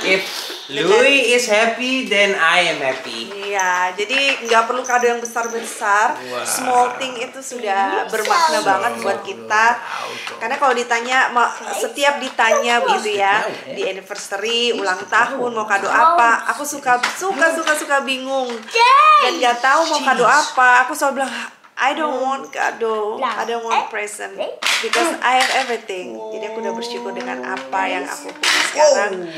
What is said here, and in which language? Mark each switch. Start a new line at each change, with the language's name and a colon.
English: if Louis is happy then I am happy.
Indonesian: Iya. Iya, jadi nggak perlu kado yang besar-besar. Wow.
English: Small thing
Indonesian: itu sudah bermakna banget buat kita. Karena kalau ditanya, setiap ditanya gitu ya, di anniversary, ulang tahun, mau kado apa, aku suka bingung. Dan nggak tahu mau kado apa, aku selalu bilang,
English: I don't want kado, I don't want present, because I have everything.
Indonesian: Jadi aku udah bersyukur dengan apa yang aku punya sekarang.